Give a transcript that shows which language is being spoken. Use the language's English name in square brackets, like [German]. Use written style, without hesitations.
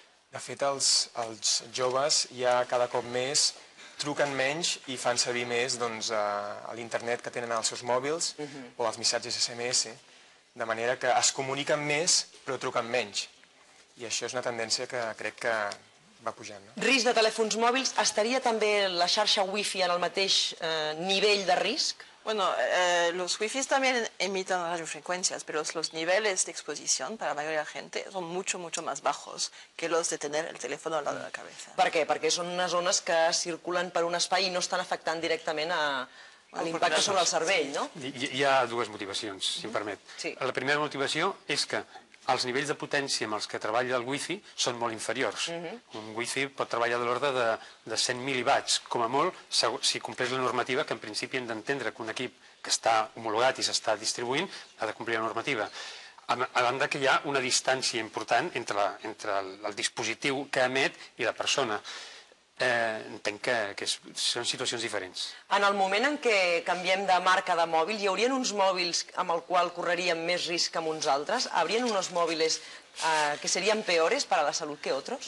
[Catalan] De fet, els joves ja cada cop més truquen menys i fan servir més doncs, a l'internet que tenen els seus mòbils o els missatges SMS, de manera que es comuniquen més però truquen menys. I això és una tendència que crec que va pujant. No? Risc de telèfons mòbils, estaria també la xarxa wifi en el mateix nivell de risc? [Spanish] Bueno, los wifis también emiten radiofrecuencias, pero los niveles de exposición para la mayoría de la gente son mucho, mucho más bajos que los de tener el teléfono al lado de la cabeza. ¿Por qué? Porque son unas zonas que circulan por un espai y no están afectando directamente [Catalan] l'impacte sobre el cervell, no? Hi ha dues motivacions, si em permet. La primera motivació és que els nivells de potència amb els que treballa el wifi són molt inferiors. Un wifi pot treballar de l'ordre de 100 mil·liwatts, com a molt, si compleix la normativa, que en principi hem d'entendre que un equip que està homologat i s'està distribuint ha de complir la normativa. A banda que hi ha una distància important entre el dispositiu que emet i la persona. Entenc que són situacions diferents. En el moment en què canviem de marca de mòbil, hi haurien uns mòbils amb el qual correríem més risc amb uns altres? [Spanish] Habrían unos móviles que serían peores para la salud que otros?